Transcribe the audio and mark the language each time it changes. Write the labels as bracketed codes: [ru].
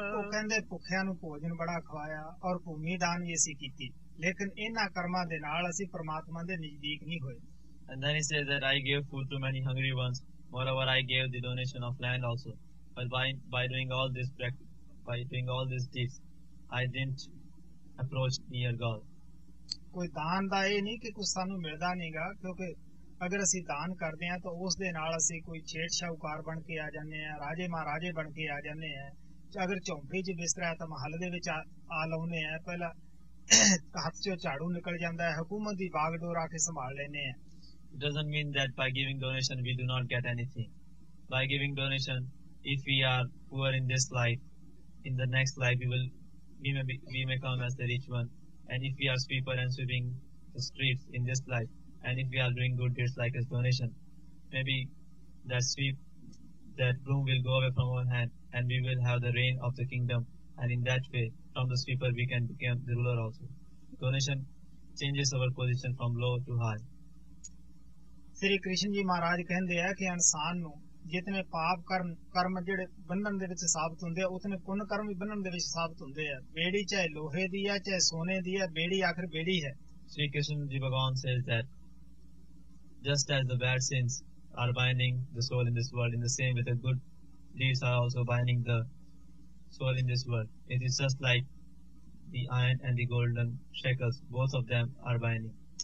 [pa] ਕਹਿੰਦੇ ਭੁੱਖਿਆਂ ਨੂੰ ਭੋਜਨ ਬੜਾ ਖਵਾਇਆ ਔਰ ਭੂਮੀ ਦਾਨ ਵੀ ਅਸੀਂ ਕੀਤੀ ਲੇਕਿਨ ਇਹਨਾਂ ਕਰਮਾਂ ਦੇ ਨਾਲ ਅਸੀਂ ਪਰਮਾਤਮਾ ਦੇ ਨਜ਼ਦੀਕ ਨਹੀਂ ਹੋਏ [en] And then he says that I gave food to many hungry ones. Moreover, I gave the donation of land also. But by doing all these deeds, I didn't approach near God. [pa] ਕੋਈ ਦਾਨ ਦਾ ਇਹ ਨਹੀਂ ਕਿ ਕੁਛ ਸਾਨੂੰ ਮਿਲਦਾ ਨਹੀਂਗਾ ਕਿਉਂਕਿ ਅਗਰ ਅਸੀਂ ਦਾਨ ਕਰਦੇ ਹਾਂ ਤਾਂ ਉਸ ਦੇ ਨਾਲ ਅਸੀਂ ਕੋਈ ਛੇੜ ਸ਼ਾਹੂਕਾਰ ਬਣ ਕੇ ਆ ਜਾਂਦੇ ਹਾਂ ਰਾਜੇ ਮਹਾਰਾਜੇ ਬਣ ਕੇ ਆ ਜਾਂਦੇ ਹਾਂ ਅਗਰ ਝੌਂਪੜੀ 'ਚ ਬਿਸਤਰਾ ਤਾਂ ਮਹੱਲੇ ਵਿੱਚ ਆ ਲਾਉਂਦੇ ਹਾਂ ਪਹਿਲਾਂ ਹੱਥ 'ਚੋਂ ਝਾੜੂ ਨਿਕਲ ਜਾਂਦਾ ਹੈ ਹਕੂਮਤ ਦੀ ਬਾਗਡੋਰ ਆ ਕੇ ਸੰਭਾਲ ਲੈਂਦੇ ਹਾਂ [en] It doesn't mean that by giving donation we do not get anything. By giving donation, if we are poor in this life, in the next life we may come as the rich one. And if we are sweeper and sweeping the streets in this life, and if we are doing good deeds like as donation, maybe that sweep, that broom will go away from our hand and we will have the reign of the kingdom. And in that way, from the sweeper we can become the ruler also. Donation changes our position from low to high. [pa] ਸ੍ਰੀ ਕ੍ਰਿਸ਼ਨ ਜੀ ਮਹਾਰਾਜ ਕਹਿੰਦੇ ਆ ਕਿ ਇਨਸਾਨ ਨੂੰ ਜਿਤਨੇ ਪਾਪ ਕਰਮ ਜਿਹੜੇ ਬੰਧਨ ਦੇ ਵਿੱਚ ਸਾਬਤ ਹੁੰਦੇ ਆ ਉਤਨੇ ਪੁੰਨ ਕਰਮ ਵੀ ਬੰਧਨ ਦੇ ਵਿੱਚ ਸਾਬਤ ਹੁੰਦੇ ਆ ਬੇੜੀ ਚਾਹੇ ਲੋਹੇ ਦੀ ਆ ਚਾਹੇ ਸੋਨੇ ਦੀ ਆ ਬੇੜੀ ਆਖਰ ਬੇੜੀ ਹੈ [en] Shri Krishna ji Bhagwan says that just as the bad sins are binding the soul in this world in the same with a good deeds are also binding the soul in this world it is just like the iron and the golden shackles both of them are binding